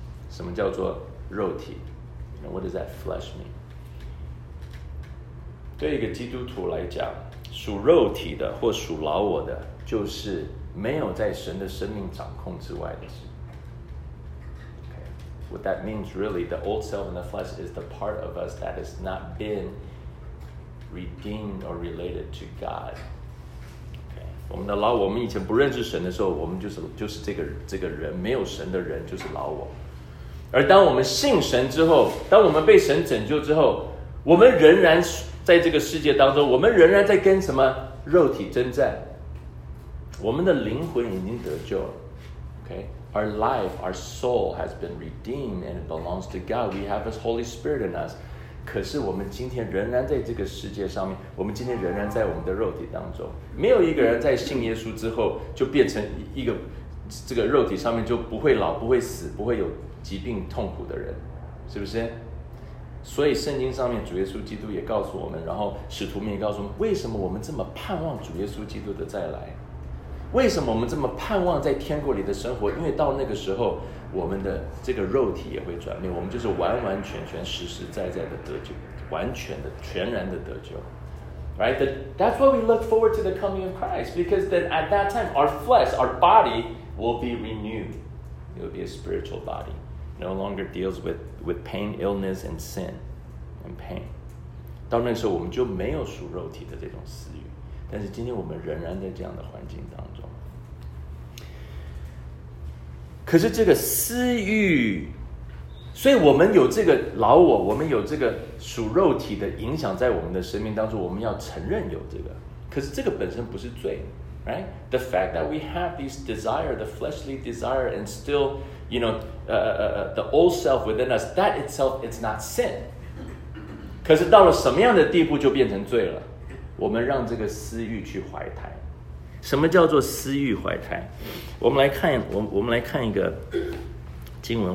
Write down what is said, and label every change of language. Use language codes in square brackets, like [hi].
[zh] 什么叫做肉体 [en] ？You know, what does that flesh mean? [zh] 对一个基督徒来讲，属肉体的或属老我的，就是没有在神的生命掌控之外的事。 [en] What that means really, the old self in the flesh is the part of us that has not been redeemed or related to God. Okay. [zh] 我们的老我，我们以前不认识神的时候，我们就是这个人，没有神的人就是老我。而当我们信神之后，当我们被神拯救之后，我们仍然在这个世界当中，我们仍然在跟什么肉体征战。我们的灵魂已经得救了。 [en] Okay. Our life, our soul has been redeemed and it belongs to God. We have His Holy Spirit in us. [zh] 可是我们今天仍然在这个世界上面，我们今天仍然在我们的肉体当中。没有一个人在信耶稣之后就变成一个这个肉体上面就不会老、不会死、不会有疾病痛苦的人，是不是？所以圣经上面主耶稣基督也告诉我们，然后使徒们也告诉我们，为什么我们这么盼望主耶稣基督的再来。为什么我们这么盼望在天国里的生活？因为到那个时候，我们的这个肉体也会转变，我们就是完完全全、实实在在的得救，完全的、全然的得救。 [en] Right? That's why we look forward to the coming of Christ, because then at that time, our flesh, our body will be renewed. It will be a spiritual body, no longer deals with pain, illness, and sin, and pain. [zh] 到那个时候，我们就没有属肉体的这种私欲。但是今天我们仍然在这样的环境当中。可是这个私欲，所以我们有这个老我，我们有这个属肉体的影响在我们的生命当中，我们要承认有这个。可是这个本身不是罪， right? [en] The fact that we have these desire, the fleshly desire, and still, you know, the old self within us, that itself is not sin. [zh] 可是到了什么样的地步就变成罪了？我们让这个私欲去怀胎。什么叫做私欲怀胎？我们来看，我们来看一个经文。